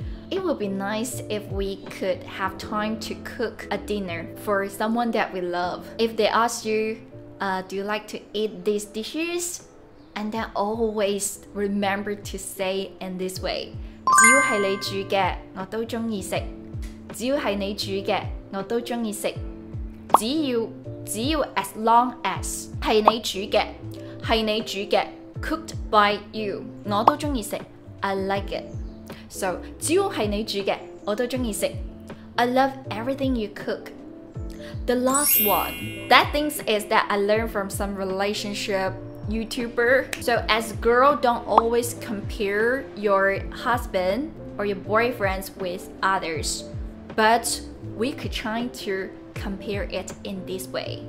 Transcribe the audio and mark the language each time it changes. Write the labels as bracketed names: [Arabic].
[English] It would be nice if we could have time to cook a dinner for someone that we love. If they ask you, do you like to eat these dishes? And then always remember to say in this way. [Chinese] 只要是你煮的,我都喜欢吃。只要是你煮的,我都喜欢吃。只要 [English] as long as [Chinese] 是你煮的, [English] cooked by you, [Chinese] 我都喜欢吃, [English] I like it. [Chinese] So, 只要是你煮的,我都喜欢吃。 [English] I love everything you cook. The last one, that thing is that I learned from some relationship YouTuber. So, as a girl, don't always compare your husband or your boyfriends with others. But we could try to compare it in this way.